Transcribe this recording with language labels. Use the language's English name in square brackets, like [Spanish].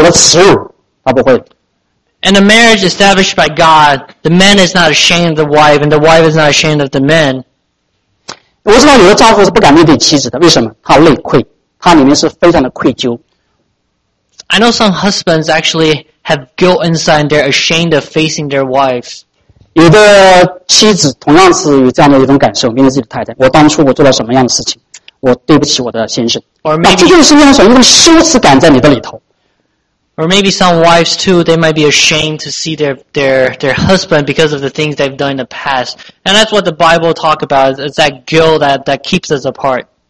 [Chinese] 这句话很有意思,非常重要。神所设立的婚姻,丈夫不会以自己的妻子为自己的羞耻。那是my [English] In a marriage established by God, the man is not ashamed of the wife, and the wife is not ashamed of the man. [Chinese] 我知道有的丈夫是不敢面对妻子的,为什么?他累愧,他里面是非常的愧疚。 [English] I know some husbands actually have guilt inside and they're ashamed of facing their wives. [Chinese] 有的妻子同样是有这样的一种感受,面对自己的太太,我当初我做了什么样的事情,我对不起我的先生。但这就是因为一种羞耻感在你的里头。 [English] Or maybe some wives too, they might be ashamed to see their husband because of the things they've done in the past. And that's what the Bible talks about, is that guilt that keeps us apart.